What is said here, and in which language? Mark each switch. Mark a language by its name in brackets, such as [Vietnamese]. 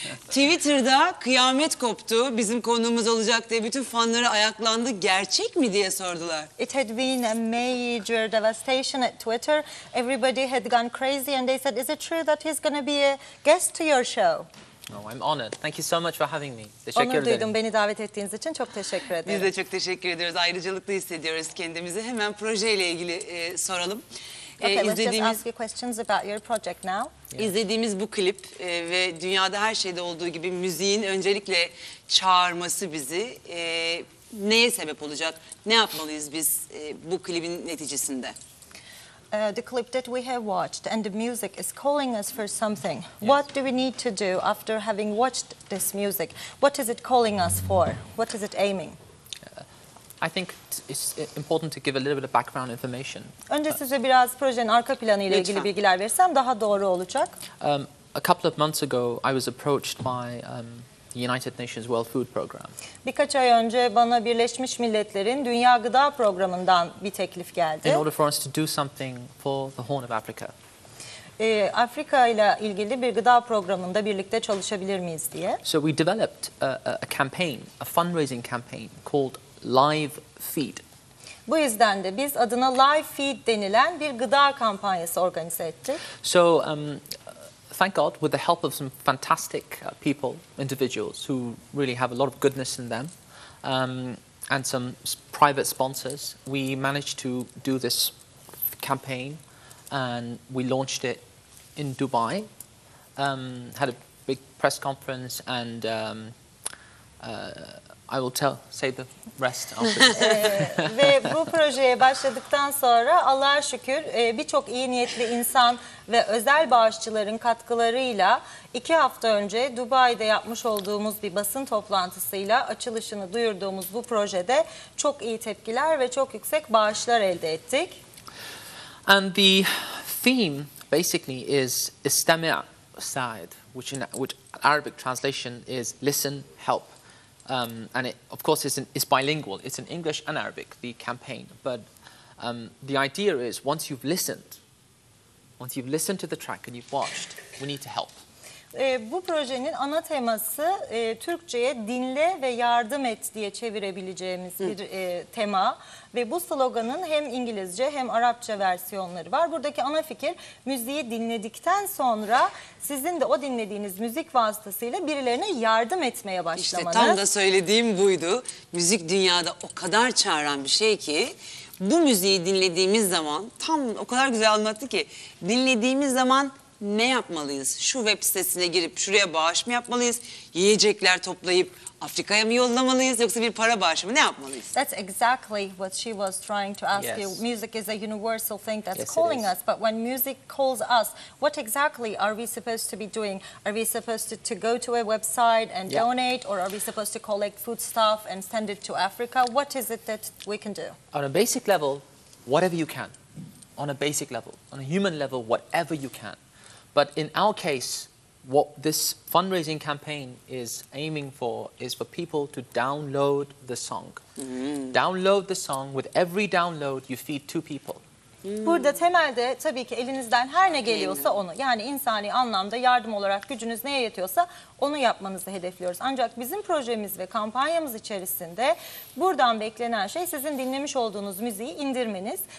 [Turkish] Twitter'da kıyamet koptu. Bizim konuğumuz olacak diye bütün fanları ayaklandı. Gerçek mi diye sordular. [English] It had been a major devastation at Twitter. Everybody had gone crazy and they said, is it true that he's going to be a guest to your show? Oh, I'm honored. Thank you so much for having me. [Turkish] Teşekkür ederim. Onur duydum beni davet ettiğiniz için çok teşekkür ederim. Biz de çok teşekkür ediyoruz. Ayrıcalıklı hissediyoruz kendimizi. Hemen projeyle ilgili soralım. [English] Let's ask you questions about your project now. Yeah. [Turkish] İzlediğimiz bu klip ve dünyada her şeyde olduğu gibi müziğin öncelikle çağırması bizi neye sebep olacak? Ne yapmalıyız biz bu klibin neticesinde? [English] The clip that we have watched and the music is calling us for something. Yes. What do we need to do after having watched this music? What is it calling us for? What is it aiming? I think it's important to give a little bit of background information. [Turkish] Önce size biraz projenin arka planı ile ilgili bilgiler versem daha doğru olacak. [English] A couple of months ago I was approached by the United Nations World Food Program. [Turkish] Birkaç ay önce bana Birleşmiş Milletler'in Dünya Gıda Programı'ndan bir teklif geldi. [English] In order for us to do something for the Horn of Africa. [Turkish] Afrika ile ilgili bir gıda programında birlikte çalışabilir miyiz diye. [English] So we developed a campaign, a fundraising campaign called LiveFeed. [Turkish] Bu yüzden de biz adına LiveFeed denilen bir gıda kampanyası organize ettik. [English] So thank God, with the help of some fantastic people, individuals who really have a lot of goodness in them, and some private sponsors, we managed to do this campaign, and we launched it in Dubai, had a big press conference, and I will tell, say the rest after. [Turkish] ve bu projeye başladıktan sonra Allah'a şükür birçok iyi niyetli insan ve özel bağışçıların katkılarıyla iki hafta önce Dubai'de yapmış olduğumuz bir basın toplantısıyla açılışını duyurduğumuz bu projede çok iyi tepkiler ve çok yüksek bağışlar elde ettik. [English] And the theme basically is [Arabic] istemi' sa'id, [English] which in Arabic translation is listen, help. And it, of course, it's bilingual. It's in English and Arabic, the campaign. But the idea is, once you've listened to the track and you've watched, we need to help. [Turkish] Bu projenin ana teması Türkçe'ye dinle ve yardım et diye çevirebileceğimiz bir tema. Ve bu sloganın hem İngilizce hem Arapça versiyonları var. Buradaki ana fikir müziği dinledikten sonra sizin de o dinlediğiniz müzik vasıtasıyla birilerine yardım etmeye başlamanız. İşte tam da söylediğim buydu. Müzik dünyada o kadar çağıran bir şey ki bu müziği dinlediğimiz zaman tam o kadar güzel anlattı ki dinlediğimiz zaman ne yapmalıyız? Şu web sitesine girip şuraya bağış mı yapmalıyız? Yiyecekler toplayıp Afrika'ya mı yollamalıyız yoksa bir para bağışı mı? Ne yapmalıyız? [English] That's exactly what she was trying to ask yes. you. Music is a universal thing that's yes, calling us. But when music calls us, what exactly are we supposed to be doing? Are we supposed to go to a website and yeah. donate? Or are we supposed to collect food stuff and send it to Africa? What is it that we can do? On a basic level, whatever you can. On a basic level, on a human level, whatever you can. But in our case, what this fundraising campaign is aiming for is for people to download the song. Mm. Download the song. With every download, you feed two people. Mm. [Turkish] Burada temelde tabii ki elinizden her ne geliyorsa onu, yani insani anlamda yardım olarak gücünüz neye yetiyorsa onu yapmanızı hedefliyoruz. Ancak bizim projemiz ve kampanyamız içerisinde buradan beklenen şey sizin dinlemiş olduğunuz müziği indirmeniz.